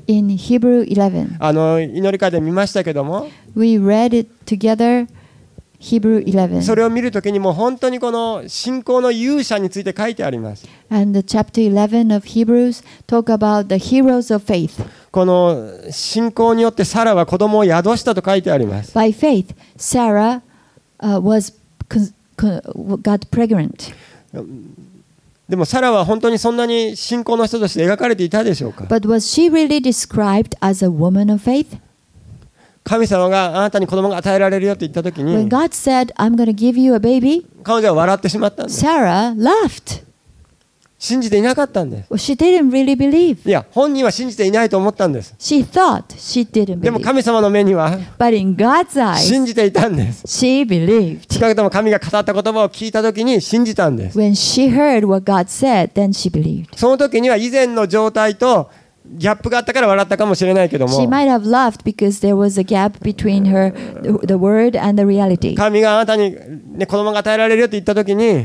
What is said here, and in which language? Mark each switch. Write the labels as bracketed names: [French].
[English] In Hebrew 11. [Japanese] 祈り会で見ましたけども。 [English] We read it together. Hebrew 11. [Japanese] それを見るときにも本当にこの信仰の勇者について書いてあります。 [English] And the chapter 11 of Hebrews talk about the heroes of faith. [Japanese] この信仰によってサラは子供を宿したと書いてあります。 [English] By faith, Sarah was got pregnant. [Japanese] でもサラは本当にそんなに信仰の人として描かれていたでしょうか。 [English] But was she really described as a woman of faith? [Japanese] 神様があなたに子供が与えられるよって言ったときに、 [English] When God said, I'm gonna give you a baby, [Japanese] 彼女は笑ってしまったんです。 [English] Sarah laughed. [Japanese] 信じていなかったんです。 [English] She didn't really believe. [Japanese] いや、本人は信じていないと思ったんです。 [English] She thought she didn't believe. [Japanese] でも神様の目には、 [English] But in God's eyes, [Japanese] 信じていたんです。 [English] She believed. [Japanese] 近くとも神が語った言葉を聞いたときに信じたんです。 [English] When she heard what God said, then she believed. [Japanese] その時には以前の状態とギャップがあったから笑ったかもしれないけども。 [English] She might have laughed because there was a gap between her the word and the reality. [Japanese] 神があなたに、ね、子供が与えられるよって言ったときに、